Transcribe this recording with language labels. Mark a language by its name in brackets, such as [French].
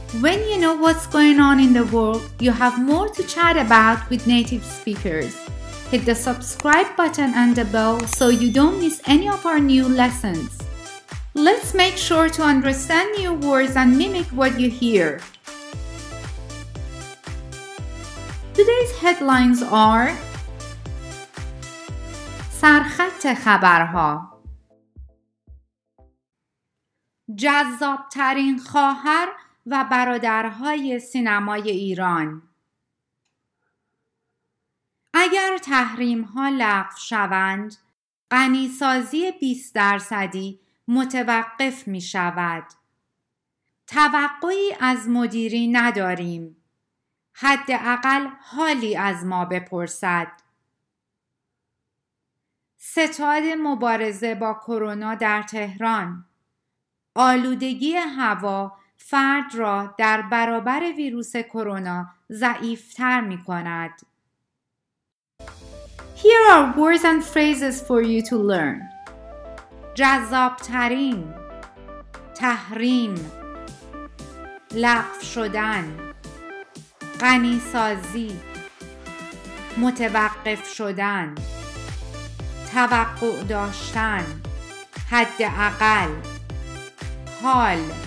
[English] When you know what's going on in the world, you have more to chat about with native speakers. Hit the subscribe button and the bell so you don't miss any of our new lessons. Let's make sure to understand new words and mimic what you hear. Today's headlines are [Persian] سرخط خبرها جذابترین خواهر و برادرهای سینمای ایران. اگر تحریم ها لغو شوند، غنی‌سازی 20% متوقف می شود. توقعی از مدیری نداریم. حداقل حالی از ما بپرسد. ستاد مبارزه با کرونا در تهران. آلودگی هوا فرد را در برابر ویروس کرونا ضعیف‌تر می‌کند. [English] Here are words and phrases for you to learn. [Persian] جذاب‌ترین تحریم لغو شدن غنی‌سازی متوقف شدن توقع داشتن حداقل حال